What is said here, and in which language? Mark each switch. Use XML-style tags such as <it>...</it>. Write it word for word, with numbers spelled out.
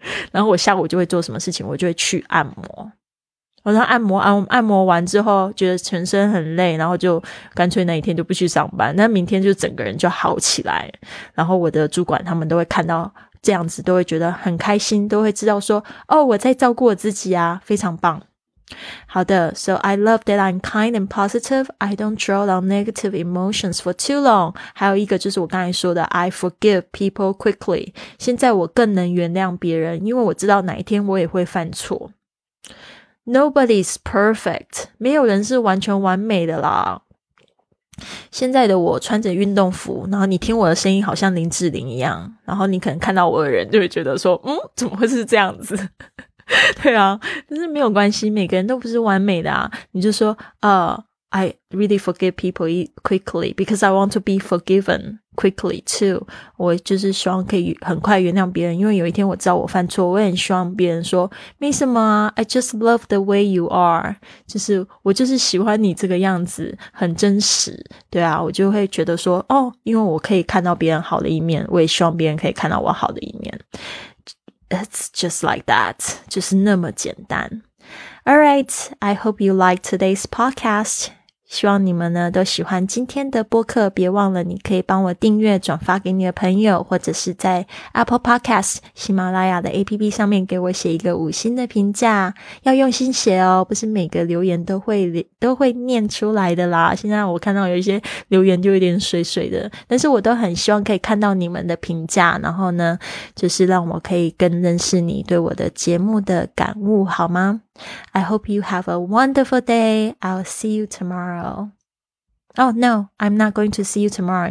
<zh>然后我下午就会做什么事情，我就会去按摩。然后按摩按按摩完之后觉得全身很累，然后就干脆那一天就不去上班，那明天就整个人就好起来。然后我的主管他们都会看到这样子，都会觉得很开心，都会知道说哦，我在照顾我自己啊，非常棒。好的，</zh> <en>So I love that I'm kind and positive. I don't dwell on negative emotions for too long.</en> <zh>还有一个就是我刚才说的</zh> <en>I forgive people quickly.</en> <zh>现在我更能原谅别人，因为我知道哪一天我也会犯错。</zh> <en>Nobody's perfect.</en> <zh>没有人是完全完美的啦。现在的我穿着运动服，然后你听我的声音好像林志玲一样，然后你可能看到我的人就会觉得说嗯，怎么会是这样子？对啊，但是没有关系，每个人都不是完美的啊。你就说呃、</zh> <en>uh, I really forgive people quickly because I want to be forgiven quickly too.</en> <zh>我就是希望可以很快原谅别人，因为有一天我知道我犯错，我也很希望别人说没什么啊</zh> <en>I just love the way you are.</en> <zh>就是我就是喜欢你这个样子，很真实。对啊，我就会觉得说哦，因为我可以看到别人好的一面，我也希望别人可以看到我好的一面。</zh> <en>It's just like that.</en> <zh>就是那么简单。</zh> <en>All right, I hope you like today's podcast.</en> <zh>希望你们呢都喜欢今天的播客，别忘了你可以帮我订阅转发给你的朋友，或者是在 Apple Podcast 喜马拉雅的 A P P 上面给我写一个五星的评价，要用心写哦，不是每个留言都会都会念出来的啦。现在我看到有一些留言就有点水水的，但是我都很希望可以看到你们的评价，然后呢就是让我可以更认识你对我的节目的感悟，好吗？</zh> <en>I hope you have a wonderful day. I'll see you tomorrow. Oh no, I'm not going to see you tomorrow.</en>